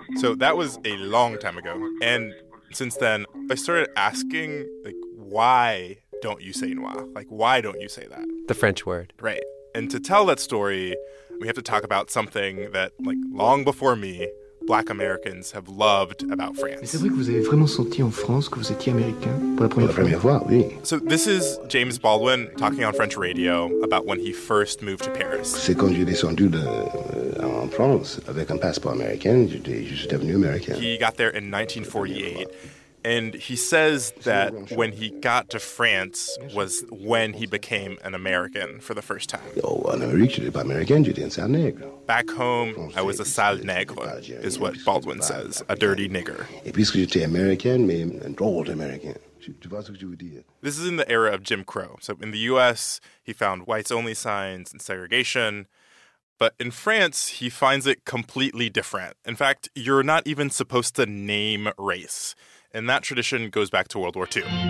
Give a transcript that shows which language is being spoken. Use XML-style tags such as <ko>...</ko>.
<en>So that was a long time ago. And since then, I started asking, like, why don't you say noir? Like, why don't you say that? The French word. Right. And to tell that story, we have to talk about something that, like, long before me, Black Americans have loved about France.</en> <fr>C'est vrai que vous avez vraiment senti en France que vous étiez américain pour la première fois, oui.</fr> <en>So this is James Baldwin talking on French radio about when he first moved to Paris.</en> <fr>C'est quand j'ai descendu en France avec un passeport américain, j'étais devenu américain.</fr> <en>He got there in 1948. And he says that when he got to France was when he became an American for the first time. Oh, an American, but American, you didn't say nègre. Back home, I was a</en> <fr>sale nègre,</fr> <en>is what Baldwin says, a dirty nigger.</en> <fr>Et puisque j'étais American, mais un drôle d'Américain.</fr> <en>This is in the era of Jim Crow. So in the U.S., he found whites-only signs and segregation. But in France, he finds it completely different. In fact, you're not even supposed to name race. And that tradition goes back to World War II.</en>